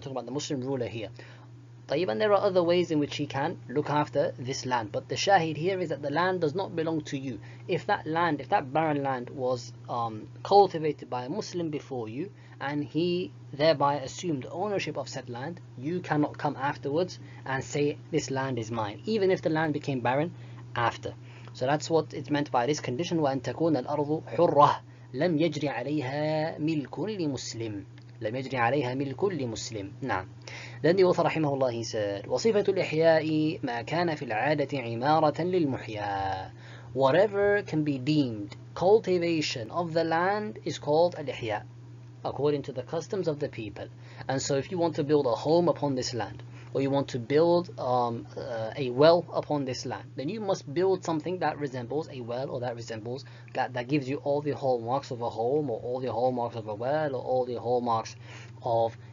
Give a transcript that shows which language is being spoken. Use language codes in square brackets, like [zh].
[en] We're talking about the Muslim ruler here. طيب, and there are other ways in which he can look after this land, but the shahid here is that the land does not belong to you. If that land, if that barren land was cultivated by a Muslim before you and he thereby assumed ownership of said land, you cannot come afterwards and say this land is mine, even if the land became barren after. So that's what it's meant by this condition, [ar] وَأَن تَكُونَ الْأَرْضُ حُرَّةً لَمْ يَجْرِ عَلَيْهَا مِلْكٌ لِمُسْلِمٍ لم يجري عليها ملك لمسلم. نعم. لأن يوثر رحمه الله [en] said, [ar] وصفة الإحياء ما كان في العادة عمارة للمحيا. [en] Whatever can be deemed cultivation of the land is called الإحياء, according to the customs of the people. And so if you want to build a home upon this land, or you want to build a well upon this land, then you must build something that resembles a well, or that resembles, that gives you all the hallmarks of a home, or all the hallmarks of a well, or all the hallmarks of